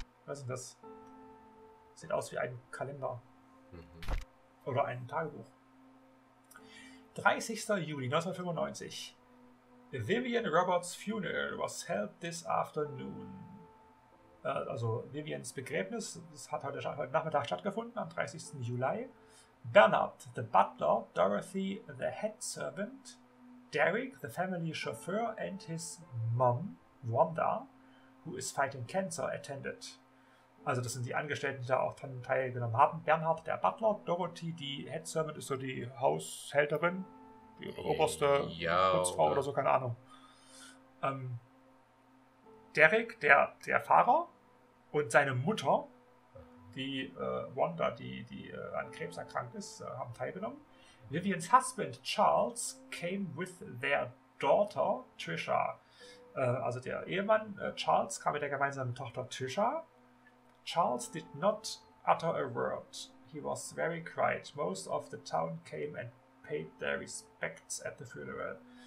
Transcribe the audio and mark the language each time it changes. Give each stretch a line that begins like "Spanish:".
German: Was ist denn das? Sieht aus wie ein Kalender. Oder ein Tagebuch. 30.
English: Juli 1995. Vivian Roberts' Funeral was held this afternoon.
German: Also Vivians Begräbnis, das hat heute Nachmittag stattgefunden, am 30. Juli
English: Bernard, the butler, Dorothy, the head servant, Derek, the family chauffeur, and his mom, Wanda, who is fighting cancer, attended.
German: Also das sind die Angestellten, die da auch dran teilgenommen haben. Bernhard, der Butler, Dorothy, die Head Servant, ist so die Haushälterin, die oberste Putzfrau oder so, keine Ahnung. Derek, der Fahrer, und seine Mutter, die Wanda, die an Krebs erkrankt ist, haben teilgenommen.
English: Vivians Husband, Charles, came with their daughter, Trisha.
German: Also der Ehemann, Charles, kam mit der gemeinsamen Tochter Trisha.
English: Charles did not utter a word. He was very quiet. Most of the town came and paid their respects at the funeral.